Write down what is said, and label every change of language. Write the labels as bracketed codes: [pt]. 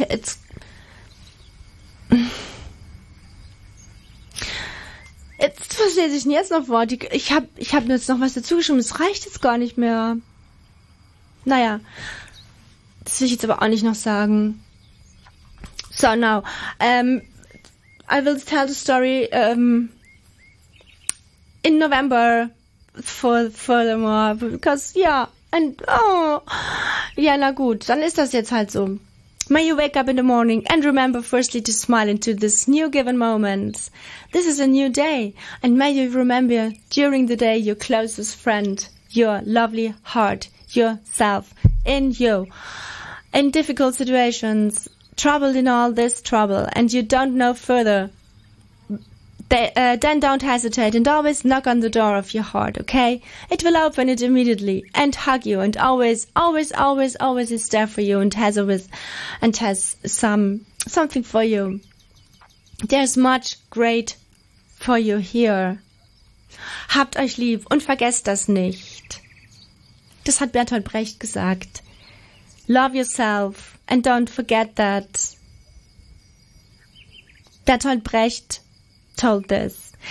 [de] Jetzt verstehe ich jetzt noch Wort. Ich hab jetzt noch was dazugeschrieben. Es reicht jetzt gar nicht mehr. Naja. Das will ich jetzt aber auch nicht noch sagen. [en] So, now. I will tell the story in November furthermore. Because, yeah. [de] And, oh, ja, na gut, dann ist das jetzt halt so. [en] May you wake up in the morning and remember firstly to smile into this new given moment. This is a new day. And may you remember during the day your closest friend, your lovely heart, yourself, in you. In difficult situations, troubled in all this trouble, and you don't know further, then don't hesitate and always knock on the door of your heart, okay? It will open it immediately and hug you, and always, always, always, always is there for you and has something for you. There's much great for you here. [de] Habt euch lieb und vergesst das nicht. Das hat Bertolt Brecht gesagt. [en] Love yourself and don't forget that. Bertolt Brecht told this.